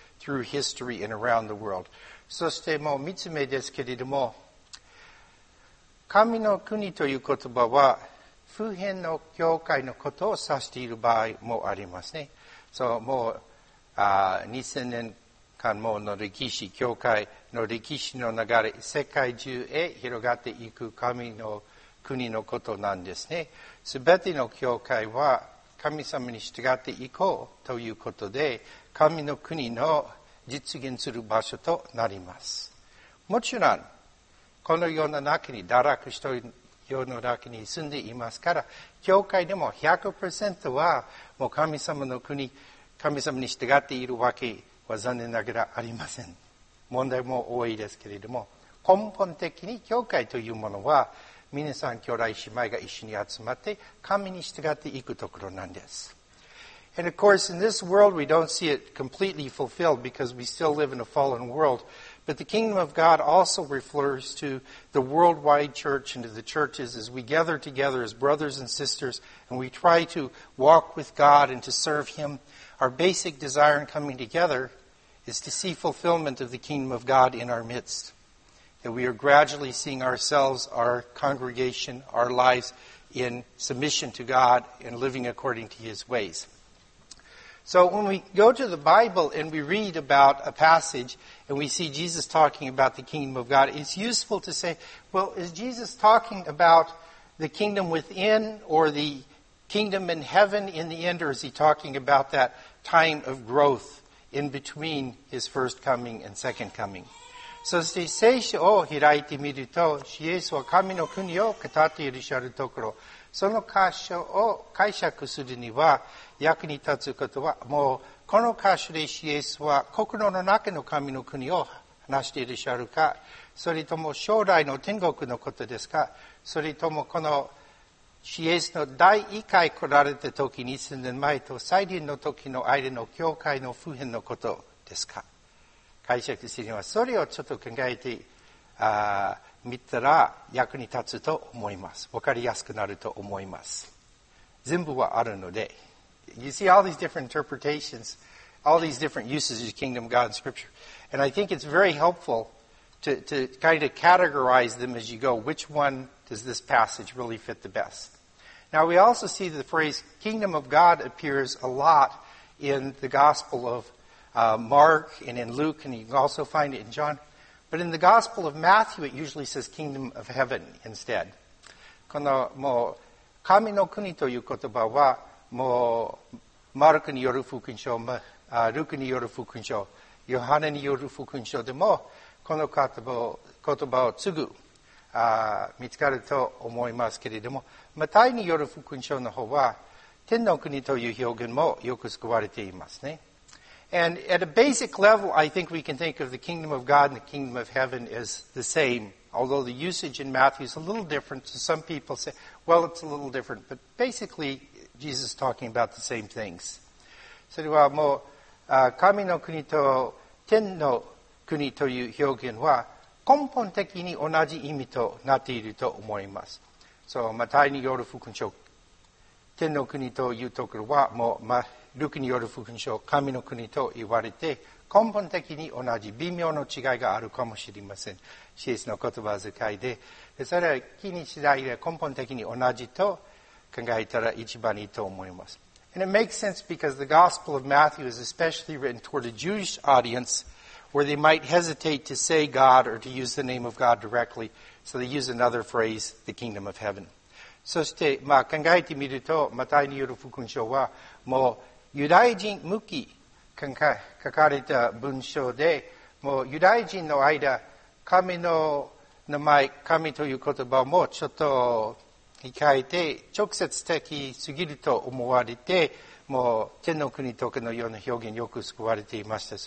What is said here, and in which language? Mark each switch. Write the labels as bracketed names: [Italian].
[English] Through history and around the world. [Japanese] そしてもう三つ目ですけれども、神の国という言葉は、普遍の教会のことを指している場合もありますね。そう、もう2000年間もの歴史、教会の歴史の流れ、世界中へ広がっていく神の国のことなんですね。すべての教会は神様に従っていこうということで、神の国の実現する場所となります。もちろん、この世の中に堕落した世の中に住んでいますから、教会でも 100% はもう神様の国、神様に従っているわけは残念ながらありません。問題も多いですけれども、根本的に教会というものは、皆さん兄弟姉妹が一緒に集まって神に従っていくところなんです。 [English] And of course, in this world, we don't see it completely fulfilled because we still live in a fallen world. But the kingdom of God also refers to the worldwide church and to the churches as we gather together as brothers and sisters and we try to walk with God and to serve Him. Our basic desire in coming together is to see fulfillment of the kingdom of God in our midst. That we are gradually seeing ourselves, our congregation, our lives in submission to God and living according to His ways. So when we go to the Bible and we read about a passage and we see Jesus talking about the kingdom of God, it's useful to say, well, is Jesus talking about the kingdom within or the kingdom in heaven in the end, or is He talking about that time of growth in between His first coming and second coming? [Japanese] そして聖書を開いてみると、イエスは神の国を語っていらっしゃるところ、その箇所を解釈するには役に立つことは、もうこの箇所でイエスは心の中の神の国を話していらっしゃるか、それとも将来の天国のことですか、それともこのイエスの第一回来られた時に数年前と再臨の時の間の教会の普遍のことですか。解釈するにはそれをちょっと考えてみたら役に立つと思います。わかりやすくなると思います。全部はあるので。 [English] You see all these different interpretations, all these different uses of the kingdom of God in scripture. And I think it's very helpful to kind of categorize them as you go. Which one does this passage really fit the best? Now we also see the phrase kingdom of God appears a lot in the gospel of Mark and in Luke, and you can also find it in John. But in the Gospel of Matthew, it usually says Kingdom of Heaven instead. [Japanese] このもう神の国という言葉は、もうマルクによる福音書、ルクによる福音書、ヨハネによる福音書でも、この言葉をすぐ見つかると思いますけれども、マタイによる福音書の方は、天の国という表現もよく使われていますね。 [English] And at a basic level, I think we can think of the kingdom of God and the kingdom of heaven as the same, although the usage in Matthew is a little different. So some people say, well, it's a little different. But basically, Jesus is talking about the same things. [Japanese] それはもう、神の国と天の国という表現は根本的に同じ意味となっていると思います。 So, マタイによる福音書、天の国というところはもう、ルクによる福音書、神の国と言われて、根本的に同じ、微妙の違いがあるかもしれません。イエスの言葉遣い で、それは気にしないで根本的に同じと考えたら一番いいと思います。 [English] And it makes sense because the Gospel of Matthew is especially written toward a Jewish audience where they might hesitate to say God or to use the name of God directly, so they use another phrase, the kingdom of heaven. [Japanese] そして、まあ、考えてみると、マタイによる福音書は、もう、ユダヤ人向き書かれた文章で、もうユダヤ人の間、神の名前、神という言葉もちょっと控えて、直接的すぎると思われて、もう天の国とかのような表現よく使われていました。